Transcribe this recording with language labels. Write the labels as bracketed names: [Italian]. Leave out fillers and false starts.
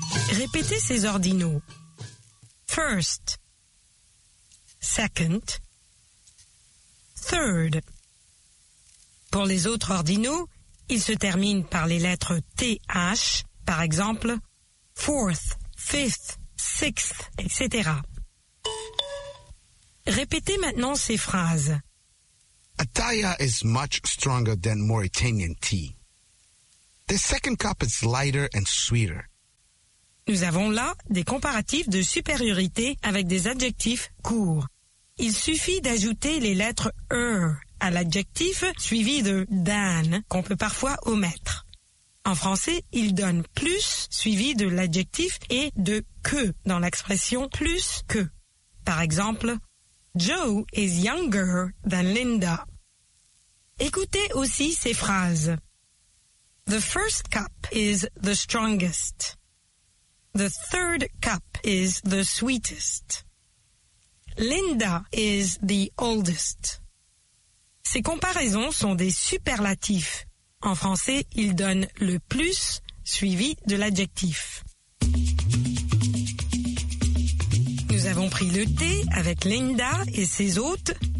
[French] Répétez ces ordinaux. [English] First, second, third. [French] Pour les autres ordinaux, ils se terminent par les lettres TH, par exemple, [English] fourth, fifth, sixth, [French] etc. Répétez maintenant ces phrases. [English] Ataya is much stronger than Mauritanian tea. The second cup is lighter and sweeter. [French] Nous avons là des comparatifs de supériorité avec des adjectifs courts. Il suffit d'ajouter les lettres er à l'adjectif suivi de than qu'on peut parfois omettre. En français, il donne plus suivi de l'adjectif et de que dans l'expression plus que. Par exemple, [English] Joe is younger than Linda. [French] Écoutez aussi ces phrases. [English] The first cup is the strongest. The third cup is the sweetest. Linda is the oldest. [French] Ces comparaisons sont des superlatifs. En français, ils donnent le plus suivi de l'adjectif. Nous avons pris le thé avec Linda et ses hôtes.